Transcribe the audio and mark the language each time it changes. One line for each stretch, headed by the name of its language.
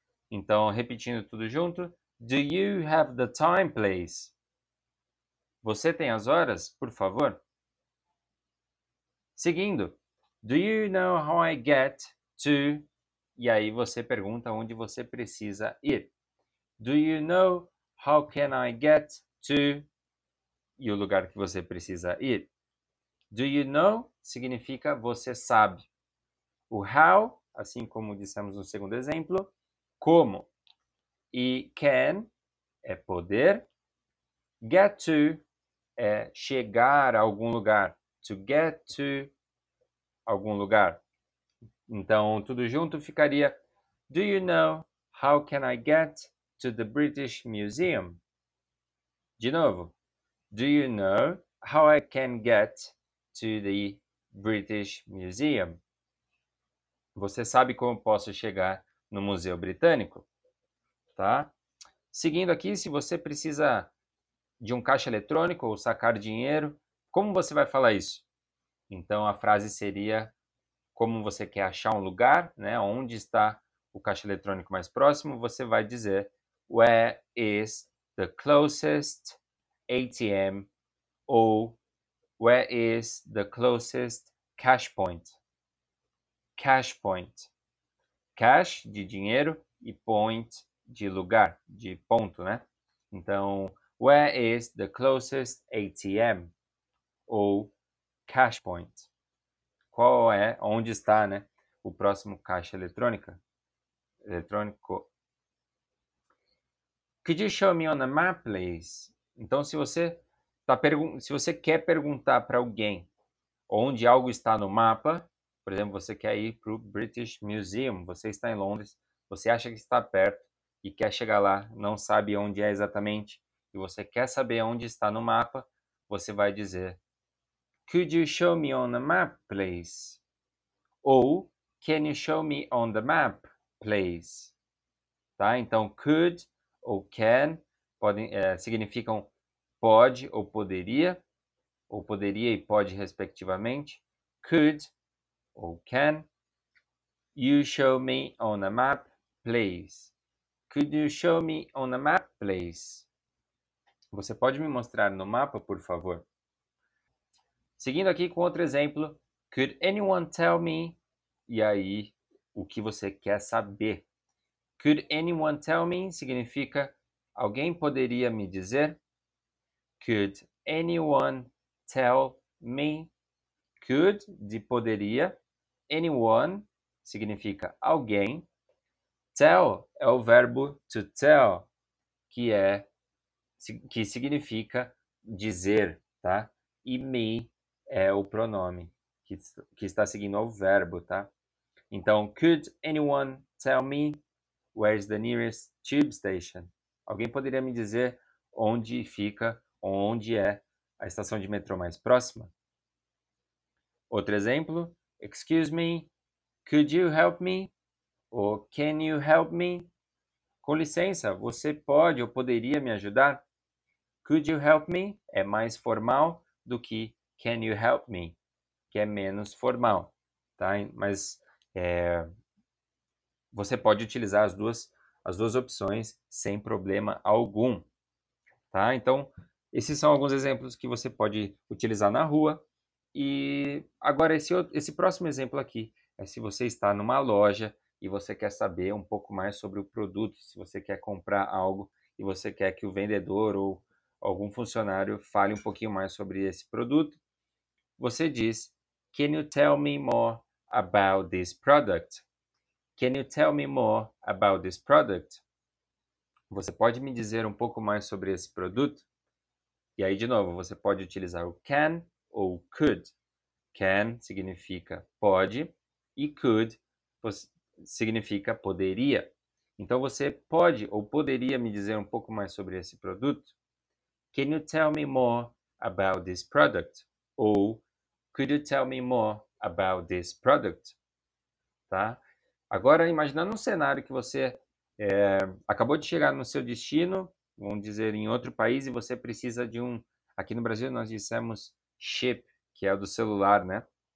Portuguese: Então, repetindo tudo junto.
English: Do you have the time, please?
Portuguese: Você tem as horas, por favor? Seguindo.
English: Do you know how I get to?
Portuguese: E aí você pergunta onde você precisa ir.
English: Do you know how can I get to?
Portuguese: E o lugar que você precisa ir.
English: Do you know
Portuguese: significa você sabe. O how, assim como dissemos no segundo exemplo, como. E can é poder. Get to é chegar a algum lugar.
English: To get to
Portuguese: algum lugar. Então, tudo junto ficaria:
English: Do you know how can I get to the British Museum?
Portuguese: De novo.
English: Do you know how I can get to the British Museum?
Portuguese: Você sabe como posso chegar no Museu Britânico? Tá? Seguindo aqui, se você precisa de um caixa eletrônico ou sacar dinheiro, como você vai falar isso? Então a frase seria: como você quer achar um lugar, né? Onde está o caixa eletrônico mais próximo, você vai dizer
English: where is the closest ATM
Portuguese: ou
English: where is the closest cash point? Cash point.
Portuguese: Cash de dinheiro e point de lugar, de ponto, né?
English: Então, where is the closest ATM ou cash point?
Portuguese: Qual é, onde está, né, o próximo caixa eletrônica? Eletrônico.
English: Could you show me on the map, please?
Portuguese: Então, se você tá se você quer perguntar para alguém onde algo está no mapa, por exemplo, você quer ir para o British Museum, você está em Londres, você acha que está perto e quer chegar lá, não sabe onde é exatamente, e você quer saber onde está no mapa, você vai dizer:
English: Could you show me on the map, please? Ou can you show me on the map, please?
Portuguese: Tá? Então, could ou can podem, significam pode ou poderia e pode, respectivamente.
English: Could ou can you show me on the map, please? Could you show me on the map, please?
Portuguese: Você pode me mostrar no mapa, por favor? Seguindo aqui com outro exemplo,
English: could anyone tell me?
Portuguese: E aí, o que você quer saber?
English: Could anyone tell me
Portuguese: significa alguém poderia me dizer?
English: Could anyone tell me?
Portuguese: Could de poderia. Anyone significa alguém. Tell é o verbo to tell, que significa dizer, tá? E me é o pronome que está seguindo ao verbo, tá? Então,
English: could anyone tell me where's the nearest tube station?
Portuguese: Alguém poderia me dizer onde fica, onde é a estação de metrô mais próxima? Outro exemplo:
English: Excuse me, could you help me? Ou can you help me?
Portuguese: Com licença, você pode ou poderia me ajudar?
English: Could you help me?
Portuguese: É mais formal do que
English: can you help me,
Portuguese: que é menos formal, tá? Mas você pode utilizar as duas opções sem problema algum, tá? Então, esses são alguns exemplos que você pode utilizar na rua. E agora, esse próximo exemplo aqui é se você está numa loja e você quer saber um pouco mais sobre o produto, se você quer comprar algo e você quer que o vendedor ou algum funcionário fale um pouquinho mais sobre esse produto. Você diz:
English: Can you tell me more about this product? Can you tell me more about this product?
Portuguese: Você pode me dizer um pouco mais sobre esse produto? E aí, de novo, você pode utilizar o can ou could. Can significa pode e could significa poderia. Então, você pode ou poderia me dizer um pouco mais sobre esse produto?
English: Can you tell me more about this product? Ou could you tell me more about this product?
Portuguese: Tá? Agora, imaginando um cenário que você acabou de chegar no seu destino, vamos dizer, em outro país, e você precisa de um. Aqui no Brasil nós dissemos chip, que é o do celular, né?